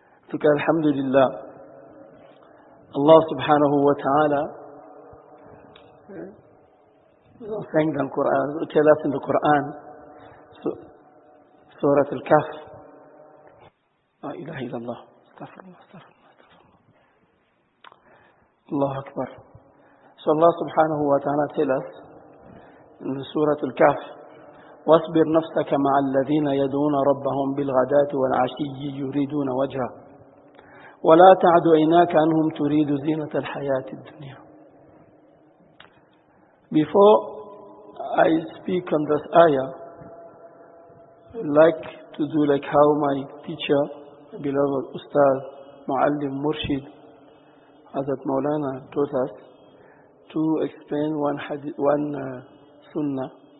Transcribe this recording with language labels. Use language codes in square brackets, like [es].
[en] So alhamdulillah, Allah subhanahu wa ta'ala, thank the Quran, tell us in the Quran, Surah Al-Kahf, [ar] لا إله إلا الله، استغفر الله، استغفر الله، استغفر الله، الله أكبر. [en] So Allah [ar] سبحانه وتعالى [en] tell us in [ar] سورة الكهف، واصبر نفسك مع الذين يدعون ربهم بالغداة والعشي يريدون وجهه، ولا تعد عيناك عنهم تريد زينة الحياة الدنيا. [en] Before I speak on this ayah, I'd like to do like how my teacher, beloved Ustaz, Muallim, Murshid, Hazrat Mawlana taught us to explain one hadith, one sunnah.